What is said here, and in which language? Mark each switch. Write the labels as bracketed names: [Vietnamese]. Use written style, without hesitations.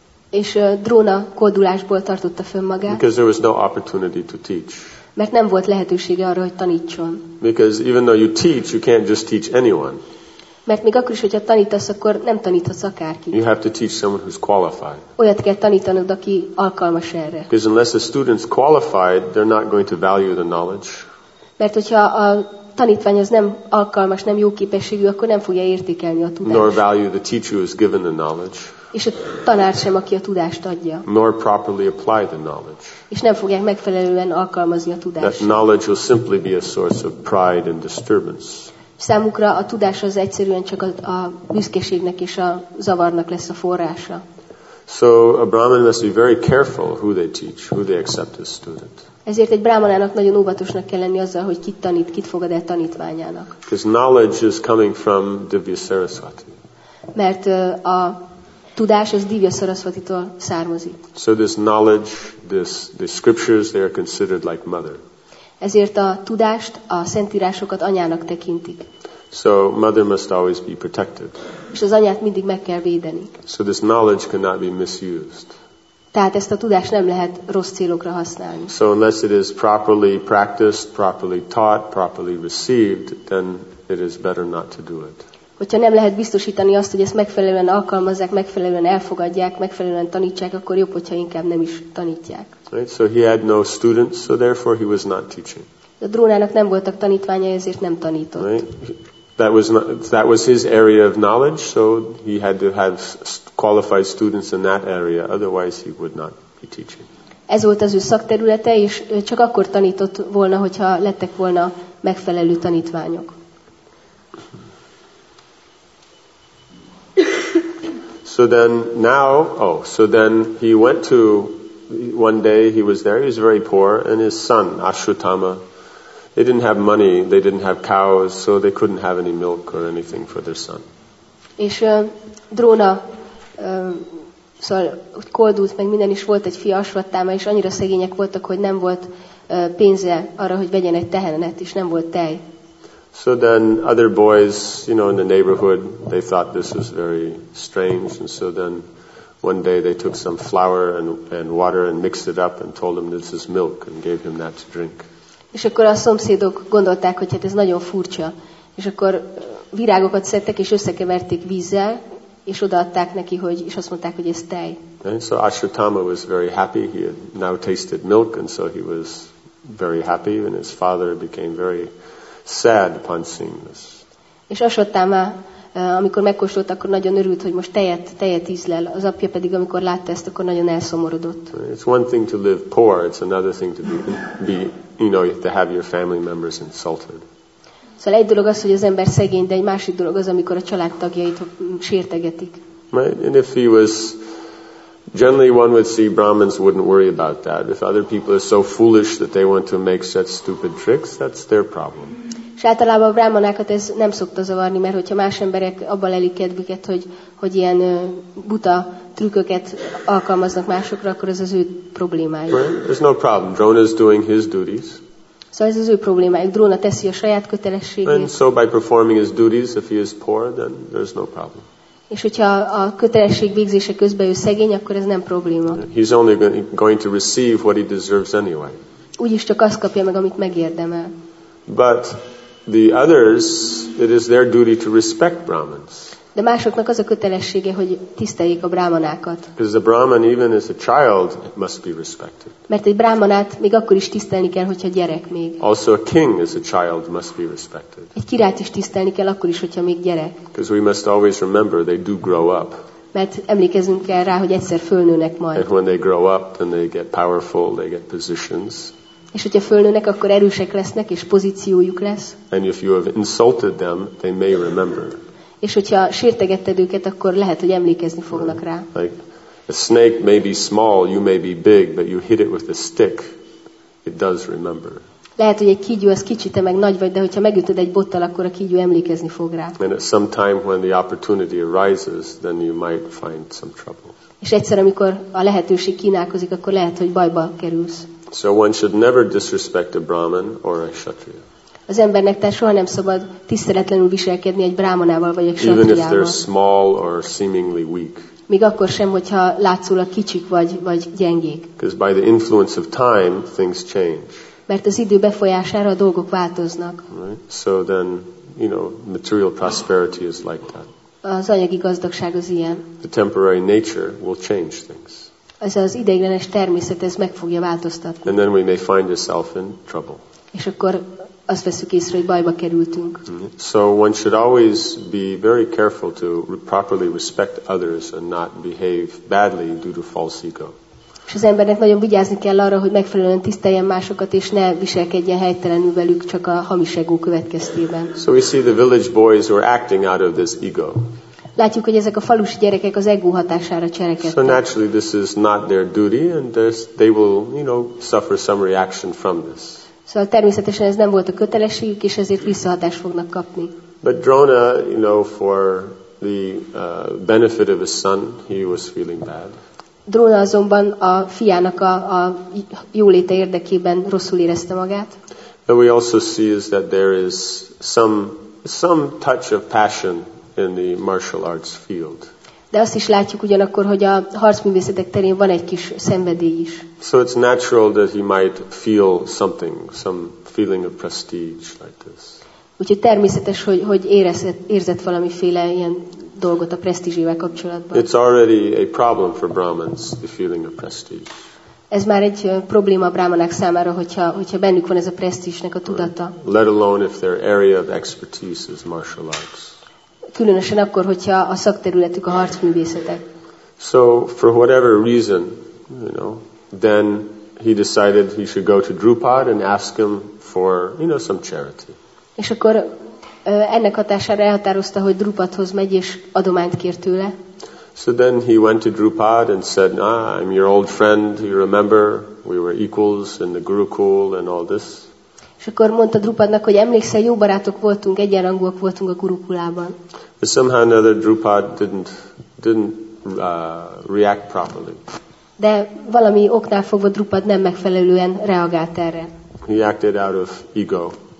[Hungarian] És Drona koldulásból tartotta fönn magát. [English] Because there was no opportunity to teach. [Hungarian] Mert nem volt lehetősége arra, hogy tanítson. [English] Because even though you teach, you can't just teach anyone. [Hungarian] Mert még akkor is, hogyha tanítasz, akkor nem taníthatsz akárkit. [English] You have to teach someone who's qualified. [Hungarian] Olyat kell tanítanod, aki alkalmas erre. [English] Because unless a student's qualified, they're not going to value the knowledge. [Hungarian] Mert hogyha a tanítvány az nem alkalmas, nem jó képességű, akkor nem fogja értékelni a tudást. [English] Nor value the teacher who has given the knowledge. [Hungarian] És a tanár sem, aki a tudást adja. [English] Nor properly apply the knowledge. [Hungarian] És nem fogják megfelelően alkalmazni a tudást. [English] That knowledge will simply be a source of pride and disturbance. [Hungarian] Számukra a tudás az egyszerűen csak a büszkeségnek és a zavarnak lesz a forrása. [English] So a Brahmin must be very careful who they teach, who they accept as student. [Hungarian] Ezért egy brahmanának nagyon óvatosnak kell lenni azzal, hogy kit tanít, kit fogad el tanítványának. [English] Because knowledge is coming from Divya Saraswati. [Hungarian] Mert a tudás az Divya Saraswatitól származik. [English] So this knowledge, the scriptures, they are considered like mother. [Hungarian] Ezért a tudást, a szentírásokat anyának tekintik. [English] So mother must always be protected. [Hungarian] És az anyát mindig meg kell védeni. [English] So this knowledge cannot be misused. [Hungarian] Tehát ezt a tudást nem lehet rossz célokra használni. [English] So unless it is properly practiced, properly taught, properly received, then it is better not to do it. [Hungarian] Hogyha nem lehet biztosítani azt, hogy ezt megfelelően alkalmazzák, megfelelően elfogadják, megfelelően tanítsák, akkor jobb, hogyha inkább nem is tanítják. [English] Right? So he had no students, so therefore he was not teaching. [Hungarian] A Drónának nem voltak tanítványai, ezért nem tanított. [English] Right? That was his area of knowledge, so he had to have qualified students in that area, otherwise he would not be teaching. [Hungarian] Ez volt az ő szakterülete, és csak akkor tanított volna, hogyha lettek volna megfelelő tanítványok. [English] So then he went to one day he was there, he was very poor, and his son Ashutama, they didn't have money, they didn't have cows, so they couldn't have any milk or anything for their son. [Hungarian] És Dróna szóval koldult meg minden is, volt egy fia Ashvatthama, és annyira szegények voltak, hogy nem volt pénze arra, hogy vegyen egy tehenet, és nem volt tej. [English] So then other boys, you know, in the neighborhood, they thought this was very strange, and so then one day they took some flour and water and mixed it up and told him this is milk and gave him that to drink. [Hungarian] És akkor a szomszédok gondolták, hogy hát ez nagyon furcsa, és akkor virágokat szedtek és összekeverték vízzel, és odaadták neki, hogy és azt mondták, hogy ez tej. [English] And so Ashutama was very happy. He had now tasted milk, and so he was very happy, and his father became very sad upon seeing this. [Hungarian] És Ashutama, amikor megkóstolt, akkor nagyon örült, hogy most tejet ízlel. Az apja pedig, amikor látta ezt, akkor nagyon elszomorodott. [English] It's one thing to live poor, it's another thing to be you know, to have your family members insulted. [Hungarian] Szóval egy dolog az, hogy az ember szegény, de egy másik dolog az, amikor a családtagjait sértegetik. [English] Right? And if he was, generally one would see Brahmins wouldn't worry about that. If other people are so foolish that they want to make such stupid tricks, that's their problem. [Hungarian] És általában a brahmanákat ez nem szokta zavarni, mert hogyha más emberek abban lelik kedvüket, hogy ilyen buta trükköket alkalmaznak másokra, akkor ez az ő problémájuk. [English] Right? There's no problem. Drona is doing his duties. [Hungarian] Szóval ez az ő problémájuk. Drona teszi a saját kötelességét. [English] And so by performing his duties, if he is poor, then there's no problem. [Hungarian] És hogyha a kötelesség végzése közben ő szegény, akkor ez nem probléma. [English] He's only going to receive what he deserves anyway. [Hungarian] Úgyis csak azt kapja meg, amit megérdemel. [English] But the others, it is their duty to respect Brahmins. [Hungarian] De másoknak az a kötelessége, hogy tiszteljék a brahmanákat. [English] Because a brahman, even as a child, must be respected. [Hungarian] Mert egy brahmanát még akkor is tisztelni kell, hogyha gyerek még. [English] Also a king as a child must be respected. [Hungarian] Egy királyt is tisztelni kell akkor is, hogyha még gyerek. [English] Because we must always remember they do grow up. [Hungarian] Mert emlékezünk kell rá, hogy egyszer fölnőnek majd. [English] And when they grow up, then they get powerful, they get positions. [Hungarian] És hogyha fölnőnek, akkor erősek lesznek, és pozíciójuk lesz. [English] And if you have insulted them, they may remember. [Hungarian] És hogyha sértegetted őket, akkor lehet, hogy emlékezni fognak rá. [English] Like a snake may be small, you may be big, but you hit it with a stick, it does remember. [Hungarian] Lehet, hogy egy kígyó az kicsi, te meg nagy vagy, de hogyha megütöd egy bottal, akkor a kígyó emlékezni fog rá. [English] And at some time when the opportunity arises, then you might find some trouble. [Hungarian] És egyszer, amikor a lehetőség kínálkozik, akkor lehet, hogy bajba kerülsz. [English] So one should never disrespect a Brahmin or a Kshatriya. [Hungarian] Az embernek tehát soha nem szabad tiszteletlenül viselkedni egy brámanával vagy egy [English] Even if they're small or seemingly weak. [Hungarian] Még akkor sem, hogyha látszólag kicsik vagy gyengék. [English] Because by the influence of time, things change. [Hungarian] Mert az idő befolyására a dolgok változnak. [English] Right? So then, you know, material prosperity is like that. [Hungarian] Az anyagi gazdagság az ilyen. [English] The temporary nature will change things. [Hungarian] Ez az ideiglenes természet, ez meg fogja változtatni. [English] And then we may find yourself in trouble. [Hungarian] És akkor azt veszük észre, hogy bajba kerültünk. [English] So one should always be very careful to properly respect others and not behave badly due to false ego. [Hungarian] És az embernek nagyon vigyázni kell arra, hogy megfelelően tiszteljen másokat, és ne viselkedjen helytelenül velük csak a hamis ego következtében. [English] So we see the village boys were acting out of this ego. [Hungarian] Látjuk, hogy ezek a falusi gyerekek az ego hatására cselekedtek. [English] So naturally this is not their duty and they will, you know, suffer some reaction from this. [Hungarian] Szóval természetesen ez nem volt a kötelességük, és ezért visszahatást fognak kapni. [English] But Drona, you know, for the benefit of his son, he was feeling bad. [Hungarian] Drona azonban a fiának a jóléte érdekében rosszul érezte magát. [English] What we also see is that there is some touch of passion in the martial arts field. [Hungarian] De azt is látjuk ugyanakkor, hogy a harcművészetek terén van egy kis szenvedély is. [English] So it's natural that he might feel something, some feeling of prestige like this. [Hungarian] Úgyhogy természetes, hogy érzett valamiféle ilyen dolgot a presztízsével kapcsolatban. [English] It's already a problem for Brahmins, the feeling of prestige. [Hungarian] Ez már egy probléma a brámanák számára, hogyha bennük van ez a presztízsnek a tudata. [English] Right. Let alone if their area of expertise is martial arts. [Hungarian] Különösen akkor, hogyha a szakterületük a harcművészetek. [English] So for whatever reason, you know, then he decided he should go to Drupad and ask him for, you know, some charity. [Hungarian] És akkor ennek hatására elhatározta, hogy Drupadhoz megy és adományt kér tőle. [English] So then he went to Drupad and said, "Ah, I'm your old friend. You remember we were equals in the Gurukul and all this." [Hungarian] És akkor mondta Drupadnak, hogy emlékszel, jó barátok voltunk, egyenrangúak voltunk a Gurukulában. [English] But somehow another Drupad didn't react properly. [Hungarian] De valami oknál fogva Drupad nem megfelelően reagált erre. [English] He acted out of ego.